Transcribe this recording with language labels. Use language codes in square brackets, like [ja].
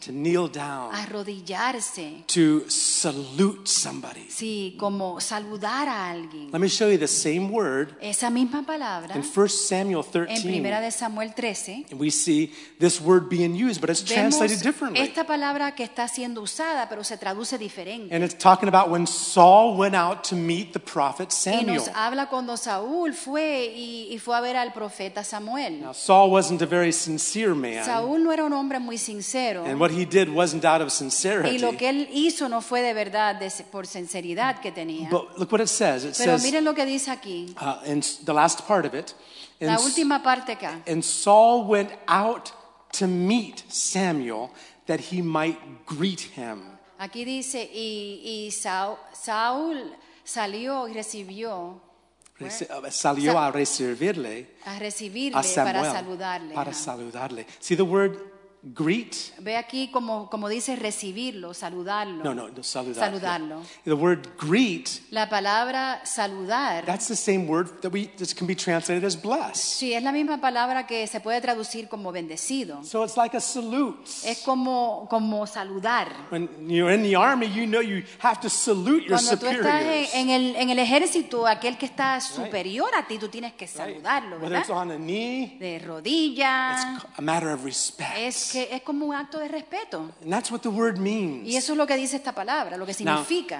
[en] To kneel down. [es] Arrodillarse. [en] To salute somebody. [es] Sí, como saludar a alguien. [en] Let me show you the same word. [es] Esa misma palabra. [en] In 1 Samuel 13. [es] En Primera de Samuel 13. [en] And we see this word being used, but it's translated differently. [es] Esta palabra que está siendo usada, pero se traduce diferente. [en] And it's talking about when Saul went out to meet the prophet Samuel. [es] Habla cuando Saúl fue y fue a ver al profeta Samuel. [en] Now, Saul wasn't a very sincere man. [es] Saúl no era un hombre muy sincero. [en] And what he did wasn't out of sincerity. [es] Y lo que él hizo no fue de verdad por sinceridad que tenía. [en] But look what it says. It [es] pero [en] says, [es] miren lo que dice aquí. [en] In the last part of it. [es] La última parte acá. [en] And Saul went out to meet Samuel that he might greet him. [es] Aquí dice y Saúl salió y recibió. Salió a recibirle a Samuel, para saludarle. Para saludarle. [en] See the word greet? [es] Ve aquí como dice recibirlo, saludarlo. No, saludar, saludarlo. [en] Yeah. The word greet. [es] La palabra saludar. [en] That's the same word that can be translated as bless. [es] Sí, es la misma palabra que se puede traducir como bendecido. [en] So it's like a salute. [es] Es como saludar. [en] When you're in the army, you know you have to salute your superiors. [es] Cuando tú estás en el ejército, aquel que está superior a ti, tú tienes que saludarlo, ¿verdad? [en] Whether it's on a knee. [es] De rodilla. [en] It's a matter of respect. [es] Es como un acto de respeto. [en] And that's what the word means. [es] Y eso es lo que dice esta palabra, lo que significa.